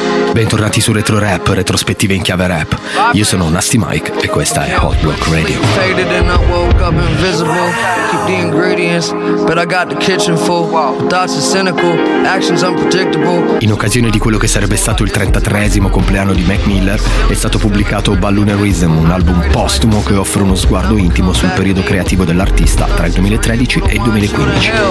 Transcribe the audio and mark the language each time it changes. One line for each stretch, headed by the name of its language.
Italian: Bentornati su Retro Rap, retrospettive in chiave rap. Io sono Nasty Mike e questa è Hot Block Radio.
English: Faded and I woke up invisible. Keep the ingredients, but I got the kitchen full. Thoughts are cynical, actions unpredictable.
Italian: In occasione di quello che sarebbe stato il 33esimo compleanno di Mac Miller, è stato pubblicato Balloonerism, un album postumo che offre uno sguardo intimo sul periodo creativo dell'artista tra il 2013 e il 2015.